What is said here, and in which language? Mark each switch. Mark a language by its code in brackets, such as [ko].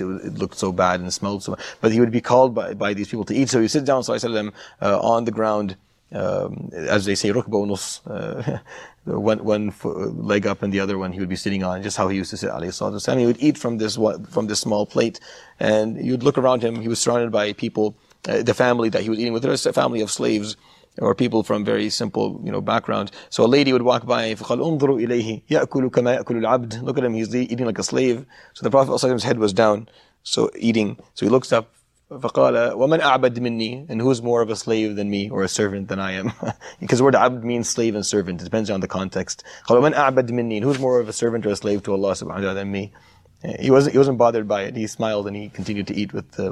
[en] It looked so bad and smelled so bad. But he would be called by these people to eat. So he would sit down, sallallahu alayhi wa sallam, on the ground, as they say, rukba unus, one leg up and the other one he would be sitting on, just how he used to sit, alayhi salatu wasalam. He would eat from this small plate, and you'd look around him, he was surrounded by people, the family that he was eating with, there was a family of slaves, or people from very simple, background. So a lady would walk by, [ar] فَقَالْ أُنظُرُوا إِلَيْهِ يَأْكُلُ كَمَا يَأْكُلُ الْعَبْدِ. [en] Look at him, he's eating like a slave. So the Prophet, his head was down, so eating. So he looks up, [ar] فَقَالَ وَمَنْ أَعْبَدْ مِنِّي. [en] And who's more of a slave than me, or a servant than I am? Because the word abd means slave and servant. It depends on the context. [ar] قَالَ وَمَنْ أَعْبَدْ مِنِّي. [en] And who's more of a servant or a slave to Allah subhanahu wa ta'ala than me? He wasn't bothered by it. He smiled and he continued to eat with them.